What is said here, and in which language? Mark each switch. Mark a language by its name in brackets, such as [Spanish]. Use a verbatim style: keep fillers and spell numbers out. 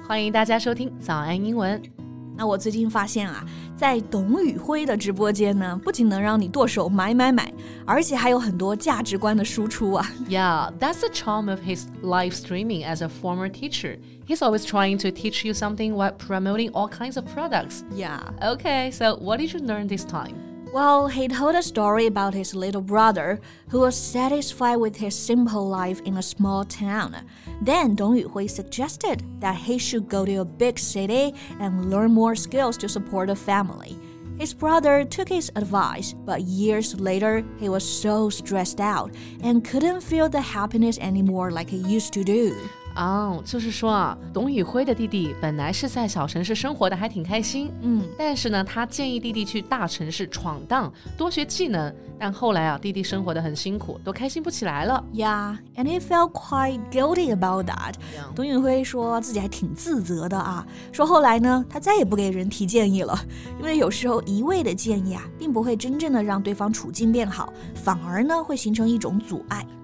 [Chinese] 欢迎大家收听早安英文。那我最近发现啊，在董宇辉的直播间呢，不仅能让你剁手买买买，而且还有很多价值观的输出啊。 [English] Yeah, that's the charm of his live streaming as a former teacher. He's always trying to teach you something while promoting all kinds of products. Yeah. Okay, so what did you learn this time? Well, he told a story about his little brother who was satisfied with his simple life in a small town. Then Dong Yuhui suggested that he should go to a big city and learn more skills to support the family. His brother took his advice, but years later he was so stressed out and couldn't feel the happiness anymore like he used to do. [Chinese] 哦、oh, 就是说啊，董宇辉的弟弟本来是在小城市生活的还挺开心，嗯，但是呢，他建议弟弟去大城市闯荡，多学技能。但后来啊，弟弟生活得很辛苦，都开心不起来了。 [English] Yeah, and he felt quite guilty about that. Yeah. [Chinese] 董宇辉说自己还挺自责的啊，说后来呢，他再也不给人提建议了，因为有时候一味的建议啊，并不会真正的让对方处境变好，反而呢，会形成一种阻碍。